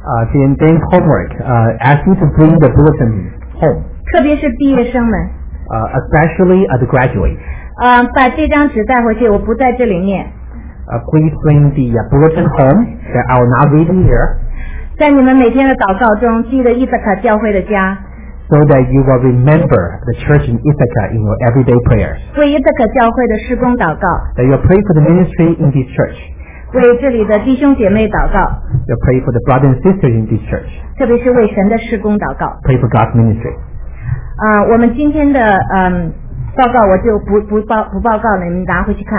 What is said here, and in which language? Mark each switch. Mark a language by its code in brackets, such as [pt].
[en] Then homework. Ask you to bring the bulletin home. [zh] 特别是毕业生们。 [en] Especially the graduates. [zh] 把这张纸带回去，我不在这里念。 [en] Please bring the bulletin home. That I will not read it here. [zh] 在你们每天的祷告中，记得伊萨卡教会的家。 [en] So that you will remember the church in Ithaca in your everyday prayers. [zh] 为伊萨卡教会的事工祷告。 [en] That you pray for the ministry in this church. [zh] 为这里的弟兄姐妹祷告。 [en] You pray for the brothers and sisters in this church. [zh] 特别是为神的事工祷告。 [en] Pray for God's ministry. [zh] 我们今天的报告我就不报告了，你们拿回去看。